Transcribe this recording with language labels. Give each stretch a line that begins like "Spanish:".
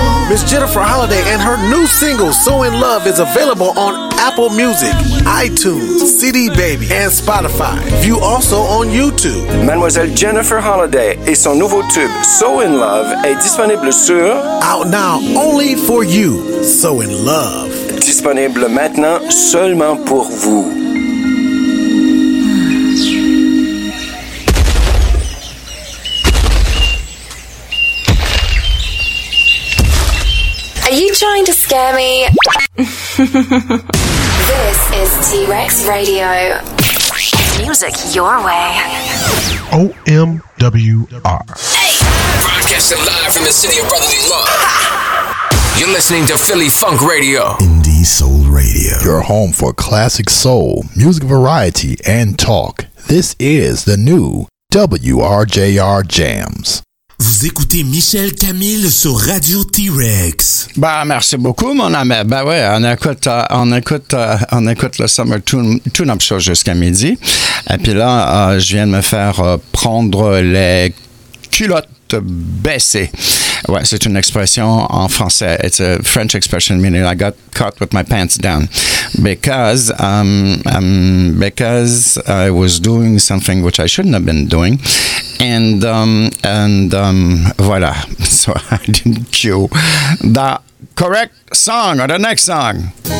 English: Miss Jennifer Holliday and her new single, So In Love, is available on Apple Music, iTunes, CD Baby, and Spotify. View also on YouTube.
French: Mademoiselle Jennifer Holliday et son nouveau tube, So In Love, est disponible sur...
English: Out now, only for you, So In Love.
French: Disponible maintenant, seulement pour vous.
English: Are you trying to scare me? This is T-Rex Radio. Music your way. OMWR. Hey! Broadcasting live from the City of Brotherly Love. You're listening to Philly Funk Radio. Indie Soul Radio. Your home for classic soul, music variety, and talk. This is the new WRJR Jams.
French: Vous écoutez Michel Camille sur Radio T-Rex. Bah merci beaucoup mon ami. Bah ouais, on écoute le Summer Tune-Up Show jusqu'à midi. Et puis là, je viens de me faire prendre les culottes baissées. Ouais, c'est une expression en français.
English: It's a French expression meaning I got caught with my pants down because I was doing something which I shouldn't have been doing. And voilà. So I didn't cue the correct song or the next song.